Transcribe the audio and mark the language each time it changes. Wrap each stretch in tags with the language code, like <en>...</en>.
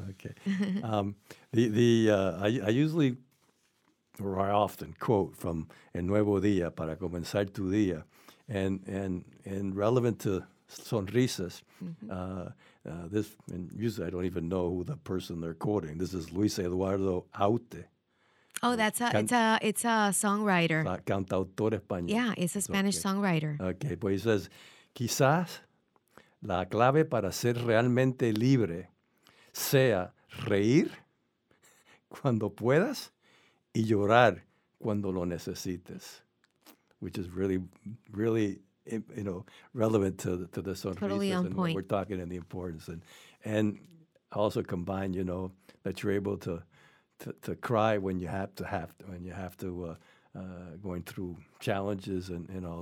<en>Okay. I usually or I often quote from El Nuevo Día para comenzar tu día, and relevant to sonrisas. Mm-hmm. This, and usually I don't even know who the person they're quoting. This is Luis Eduardo Aute. Oh, that's it's a songwriter.</en> <es>Cantautor español.</es> <en>Yeah, it's a Spanish songwriter. Okay, but he says,</en> <es>quizás la clave para ser realmente libre sea reír cuando puedas y llorar cuando lo necesites.</es> <en>which is really, really, you know, relevant to the sort totally of on and point. What we're talking and the importance. And also combine, you know, that you're able to cry when you have to going through challenges and all.</en>